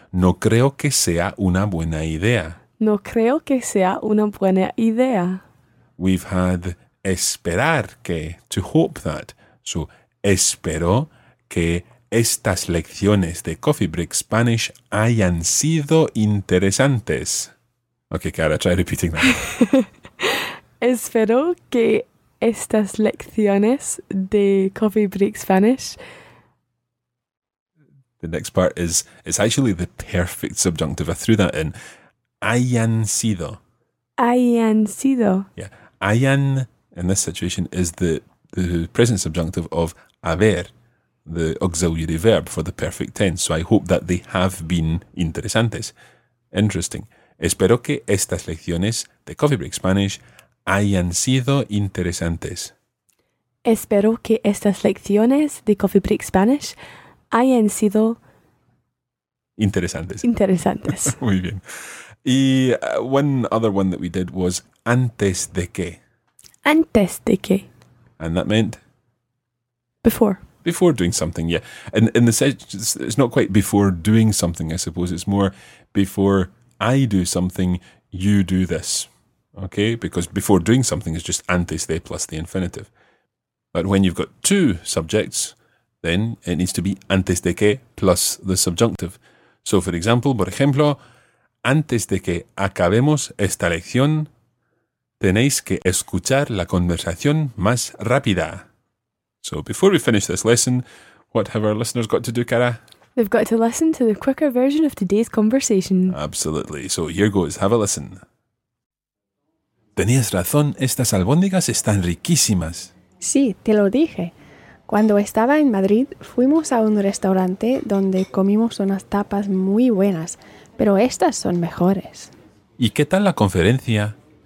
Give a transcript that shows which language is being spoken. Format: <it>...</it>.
<es>No creo que sea una buena idea. No creo que sea una buena idea.</es> <en>We've had</en> <es>esperar que,</es> <en>to hope that.</en> <es>So, espero que estas lecciones de Coffee Break Spanish hayan sido interesantes.</es> <en>Okay, Cara, try repeating that.</en> <es>Espero que estas lecciones de Coffee Break Spanish...</es> <en>The next part is, it's actually the perfect subjunctive. I threw that in.</en> <es>Hayan sido. Hayan sido.</es> <en>Yeah. Hayan, in this situation, is the present subjunctive of haber, the auxiliary verb for the perfect tense. So I hope that they have been interesantes. Interesting.</en> <es>Espero que estas lecciones de Coffee Break Spanish hayan sido interesantes. Espero que estas lecciones de Coffee Break Spanish hayan sido interesantes. Interesantes. Muy bien.</es> <en>Y one other one that we did was</en> <es>antes de que. Antes de que.</es> <en>And that meant? Before. Before doing something, yeah. And in the sense, it's not quite before doing something, I suppose. It's more before I do something, you do this. Okay? Because before doing something is just antes de plus the infinitive. But when you've got two subjects, then it needs to be</en> <es>antes de que</es> <en>plus the subjunctive. So, for example,</en> <es>por ejemplo, antes de que acabemos esta lección, tenéis que escuchar la conversación más rápida.</es> <en>So, before we finish this lesson, what have our listeners got to do, Cara? They've got to listen to the quicker version of today's conversation. Absolutely. So, here goes. Have a listen.</en> <es>Tenías razón. Estas albóndigas están riquísimas. Sí, te lo dije. Cuando estaba en Madrid, fuimos a un restaurante donde comimos unas tapas muy buenas, pero estas son mejores. ¿Y qué tal la conferencia?</es>